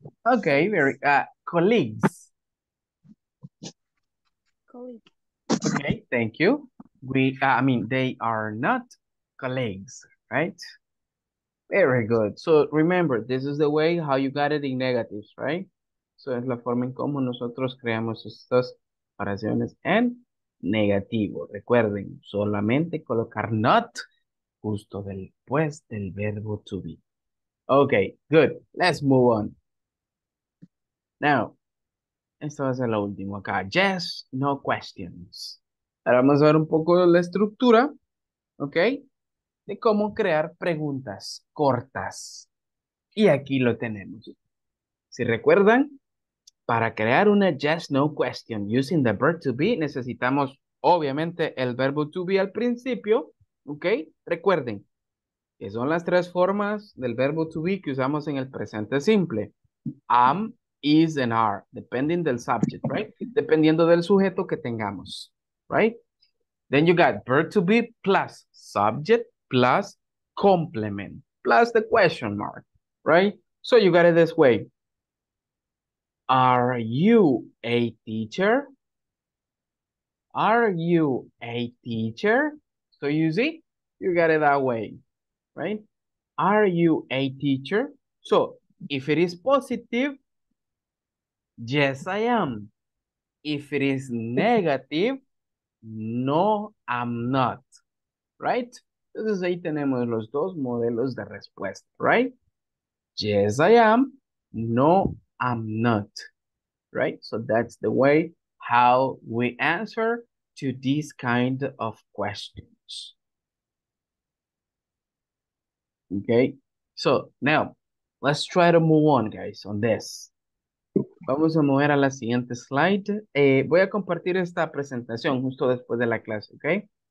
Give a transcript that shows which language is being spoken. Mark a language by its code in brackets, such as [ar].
[en] Okay, very colleagues. Colleague. Okay, thank you. They are not colleagues, right? Very good. So remember, this is the way how you got it in negatives, right? [es] So es la forma en cómo nosotros creamos estas oraciones en negativo. Recuerden, solamente colocar not justo después del verbo to be. [en] Okay, good. Let's move on. [es] Now, esto va a ser lo último acá. [en] Yes, no questions. [es] Ahora vamos a ver un poco la estructura, okay, de cómo crear preguntas cortas. Y aquí lo tenemos. Si recuerdan, para crear una [en] yes, no question using the verb to be, [es] necesitamos, obviamente, el verbo to be al principio, okay. Recuerden, que son las tres formas del verbo to be que usamos en el presente simple. [en] Am, is, and are, depending del subject, right? [es] Dependiendo del sujeto que tengamos, [en] right? Then you got verb to be plus subject plus complement plus the question mark, right? So you got it this way. Are you a teacher? Are you a teacher? So you see, you got it that way, right? Are you a teacher? So if it is positive, yes, I am. If it is negative, no, I'm not. Right? [es] Entonces ahí tenemos los dos modelos de respuesta, right? [en] Yes, I am. No, I'm not. Right? So that's the way how we answer to these kind of questions. Okay? So now, let's try to move on, guys, on this. [es] Vamos a mover a la siguiente slide. Voy a compartir esta presentación justo después de la clase, ¿ok?